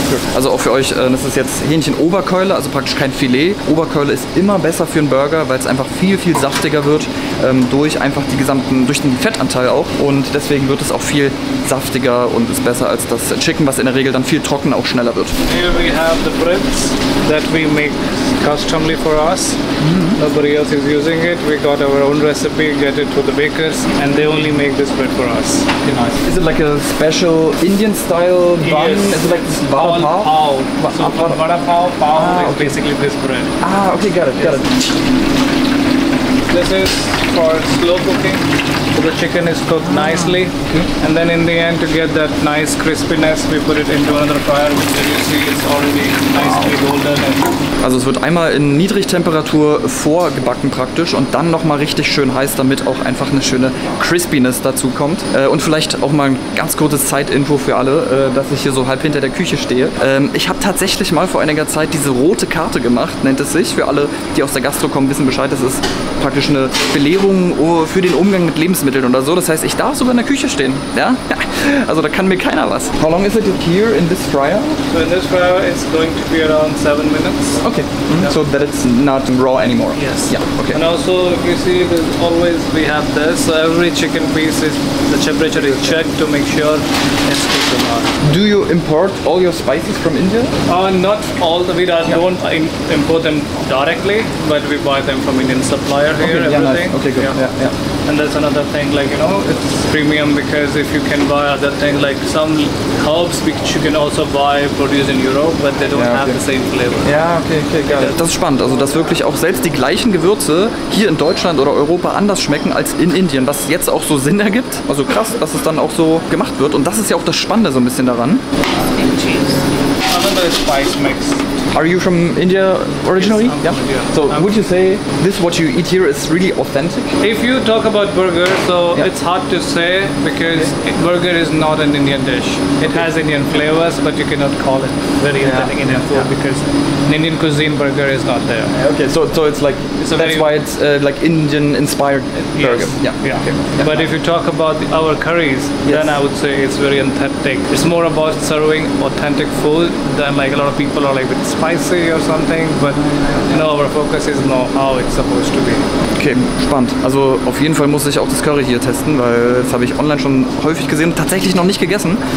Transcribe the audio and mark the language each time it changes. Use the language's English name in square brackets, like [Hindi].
[English] Sure. [German] Also auch für euch, das ist jetzt Hähnchen-Oberkeule, also praktisch kein Filet. Oberkeule ist immer besser für einen Burger, weil es einfach viel, viel saftiger wird durch einfach die gesamten, durch den Fettanteil auch. Und deswegen wird es auch viel saftiger und ist besser als das Chicken, was in der Regel dann viel trockener auch schneller wird. [English] Here we have the breads that we make customly for us. Mm-hmm. Nobody else is using it. We got our own recipe, get it to the bakers and they only make this bread for us. Nice. Is it like a special Indian style bun? Yes. Is it like this vada pav? Pav. So for vada pav, pav is basically this bread. Ah, okay, got it, got it. This is for slow cooking, so the chicken is cooked nicely. Okay. And then in the end, to get that nice crispiness, we put it into another fryer, which you see is already nicely golden. [German] Also es wird einmal in Niedrigtemperatur vorgebacken praktisch und dann nochmal richtig schön heiß, damit auch einfach eine schöne Crispiness dazu kommt. Und vielleicht auch mal ein ganz kurzes Zeitinfo für alle, dass ich hier so halb hinter der Küche stehe. Ich habe tatsächlich mal vor einiger Zeit diese rote Karte gemacht, nennt es sich. Für alle, die aus der Gastro kommen, wissen Bescheid. Das ist praktisch eine Belehrung für den Umgang mit Lebensmitteln oder so. Das heißt, ich darf sogar in der Küche stehen. Ja? Also da kann mir keiner was. [English] How long is it here in this fryer? So in this fryer it's going to be around 7 minutes. Okay. Mm-hmm. Yeah. So that it's not raw anymore. Yes. Yeah. Okay. And also if you see there's always we have this. So every chicken piece is the temperature is checked to make sure it's cooked or not. Do you import all your spices from India? Not all the we don't import them directly, but we buy them from Indian supplier here, okay, everything. Yeah, nice. Okay, good. Yeah. And that's another thing, like you know, it's premium because if you can buy other thing like some herbs which you can also buy produced in Europe but they don't have the same flavor. Yeah, okay, got it. [German] Das ist spannend, also dass wirklich auch selbst die gleichen Gewürze hier in Deutschland oder Europa anders schmecken als in Indien, was jetzt auch so Sinn ergibt. Also krass, dass es dann auch so gemacht wird und das ist ja auch das Spannende so ein bisschen daran. [English] Another spice mix. Are you from India originally? Yes, I'm from India. So would you say this what you eat here is really authentic? If you talk about burger, so it's hard to say because burger is not an Indian dish. It has Indian flavors, but you cannot call it very authentic Indian food because an Indian cuisine burger is not there. Okay, so it's like, it's that's why it's like Indian inspired burger. Yes. But if you talk about our curries, then I would say it's very authentic. It's more about serving authentic food than like a lot of people are like a bit spicy or something, but you know, our focus is on how it's supposed to be. [German] Okay, spannend. Also auf jeden Fall muss ich auch das Curry hier testen, weil das habe ich online schon häufig gesehen und tatsächlich noch nicht gegessen.